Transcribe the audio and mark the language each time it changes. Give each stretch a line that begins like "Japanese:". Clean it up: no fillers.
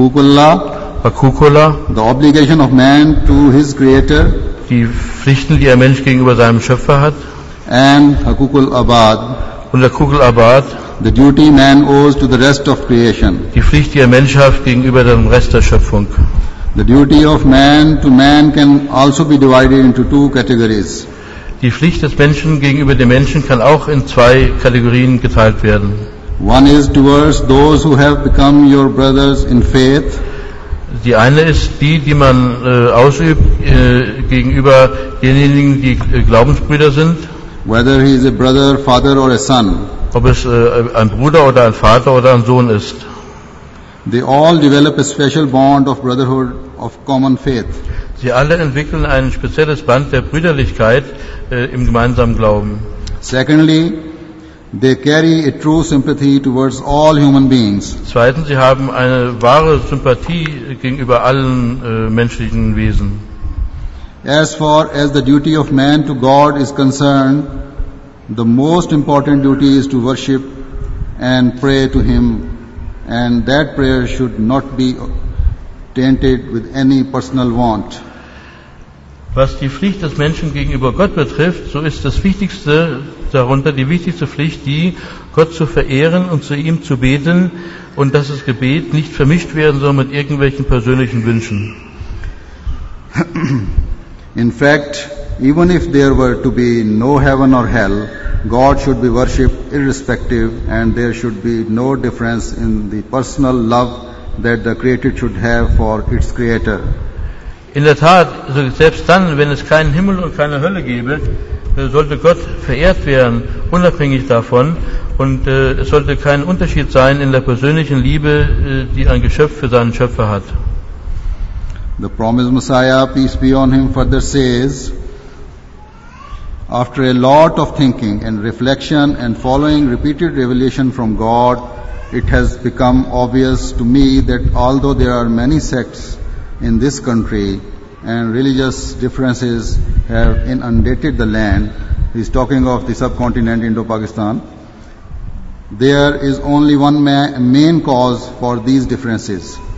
English: Hakukullah, the obligation of man to his creator.
German: Die Pflichten, die ein Mensch gegenüber seinem Schöpfer hat.
English: And Hakukul Abad,
German: und Hakukul Abad,
English: the duty man owes to the rest of creation.
German: Die Pflicht, die er Mensch hat gegenüber dem Rest der Schöpfung.
English: The duty of man to man can also be divided into two categories.
German: Die Pflicht des Menschen gegenüber dem Menschen kann auch in zwei Kategorien geteilt werden.
English: One is towards those who have become your brothers in faith.
German: Die eine ist die, die man ausübt gegenüber denjenigen, die Glaubensbrüder sind.
English: Whether he is a brother, father or a son.
German: Ob es ein Bruder oder ein Vater oder ein Sohn ist.
English: They all develop a special bond of brotherhood of common faith.
German: Sie alle entwickeln ein spezielles Band der Brüderlichkeit im gemeinsamen Glauben.
English: Secondly, they carry a true sympathy towards all human beings.
German: Zweitens, sie haben eine wahre Sympathie gegenüber allen menschlichen Wesen.
English: As far as the duty of man to God is concerned, the most important duty is to worship and pray to him, and that prayer should not be tainted with any personal want.
German: Was die Pflicht des Menschen gegenüber Gott betrifft, so ist das Wichtigste darunter, die wichtigste Pflicht, die Gott zu verehren und zu ihm zu beten und dass das Gebet nicht vermischt werden soll mit irgendwelchen persönlichen Wünschen.
English: In fact, even if there were to be no heaven or hell, God should be worshipped irrespective and there should be no difference in the personal love that the created should have for its creator.
German: In der Tat, selbst dann, wenn es keinen Himmel und keine Hölle gäbe, sollte Gott verehrt werden, unabhängig davon. Und es sollte kein Unterschied sein in der persönlichen Liebe, die ein Geschöpf für seinen Schöpfer hat.
English: The promised Messiah, peace be on him, further says, after a lot of thinking and reflection and following repeated revelation from God, it has become obvious to me that although there are many sects in this country and religious differences have inundated the land, he's talking of the subcontinent Indo-Pakistan, there is only one main cause for these differences.